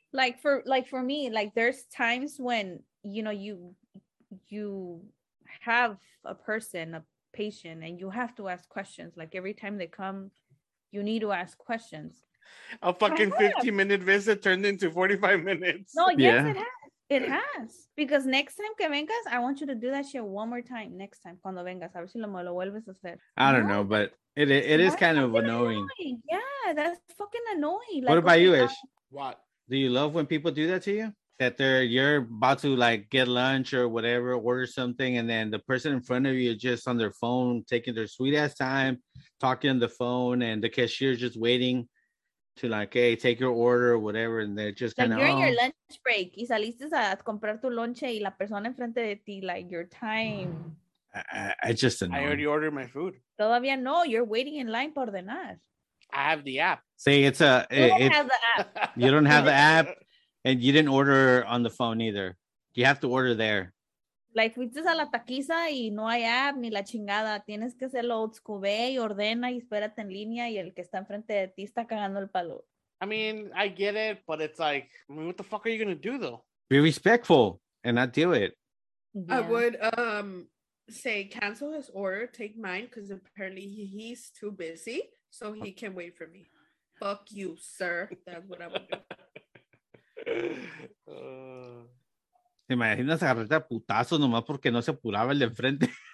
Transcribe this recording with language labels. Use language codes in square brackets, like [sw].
[en] Like for me, like there's times when, you know, you have a person, a patient, and you have to ask questions. Like every time they come, you need to ask questions. A fucking 15-minute visit turned into 45 minutes. No, yes, yeah. It has. Because next time [es] que vengas, [en] I want you to do that shit one more time. Next time, [es] cuando vengas, a ver si lo vuelves a hacer. [en] I don't know, but it is kind of annoying. Yeah, that's fucking annoying. Like, what about you, Ish? What? Do you love when people do that to you? That you're about to like get lunch or whatever, order something, and then the person in front of you is just on their phone, taking their sweet ass time, talking on the phone, and the cashier's just waiting to like, hey, take your order or whatever, and they're just kind of like your lunch break. [es] Y saliste a comprar tu lonche y la persona enfrente de ti, [en] like your time. I already ordered my food. [es] Todavía no, [en] you're waiting in line [es] para ordenar. [en] I have the app. Say it's a. You don't have the app, and you didn't order on the phone either. You have to order there. [es] Like fuiste a la taquiza y no hay app ni la chingada. Tienes que hacerlo old school, ve y ordena y espérate en línea y el que está enfrente de ti está cagando el palo. [en] I mean, I get it, but it's like, I mean, what the fuck are you gonna do though? Be respectful and not do it. Yeah. I would say cancel his order, take mine, because apparently he's too busy, so he can wait for me. Fuck you, sir. That's what I would do. [es] ¿Te imaginas agarrarte a putazos nomás porque no se apuraba el de enfrente?